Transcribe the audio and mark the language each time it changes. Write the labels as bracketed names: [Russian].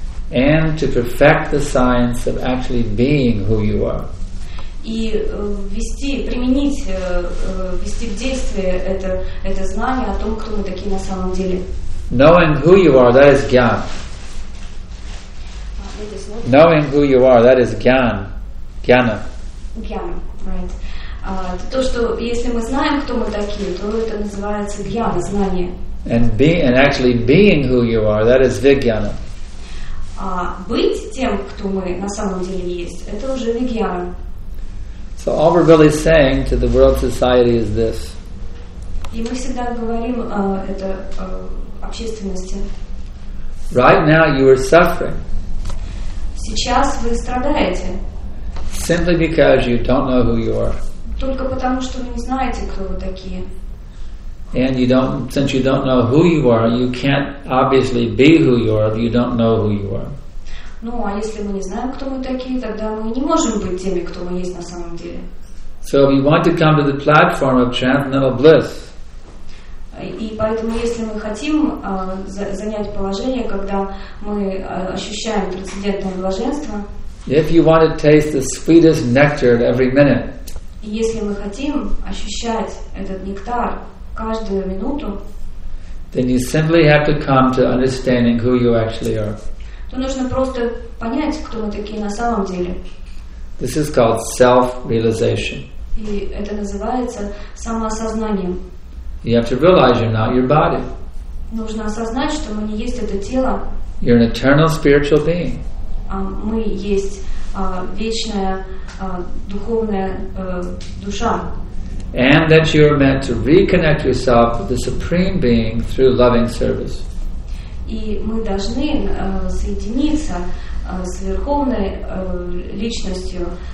[English] And to perfect the science of actually being who you are. [Russian] И ввести в действие это знание о том, кто мы такие на самом деле. [English] Knowing who you are, that is gyan. Knowing who you are, that is gyan. Gyana. Gyana, right. [Russian] То, что если мы знаем, кто мы такие, то это называется гьяна, знание. [English] And actually being who you are, that is vigyana. [Russian] А быть тем, кто мы на самом деле есть, это уже вигьяна. [English] So all we're really saying to the world society is this. [Russian] И мы всегда говорим это общественности. [English] Right now you are suffering. [Russian] Сейчас вы страдаете. [English] Simply because you don't know who you are. [Russian] Только потому, что вы не знаете, кто вы такие. [English] And you don't, since you don't know who you are, you can't obviously be who you are if you don't know who you are. [Russian] Ну, а если мы не знаем, кто мы такие, тогда мы не можем быть теми, кто мы есть на самом деле. [English] So if you want to come to the platform of transcendental bliss. [Russian] И поэтому, если мы хотим занять положение, когда мы ощущаем трансцендентное блаженство. [English] If you want to taste the sweetest nectar at every minute. [Russian] И если мы хотим ощущать этот нектар каждую минуту. [English] Then you simply have to come to understanding who you actually are. [Russian] То нужно просто понять, кто мы такие на самом деле. [English] This is called self-realization. [Russian] И это называется самоосознанием. [English] You have to realize you're not your body. [Russian] Нужно осознать, что мы не есть это тело. [English] You're an eternal spiritual being. [Russian] Мы есть вечная духовная душа. [English] And that you are meant to reconnect yourself with the Supreme Being through loving service. [Russian] И мы должны соединиться с Верховной Личностью.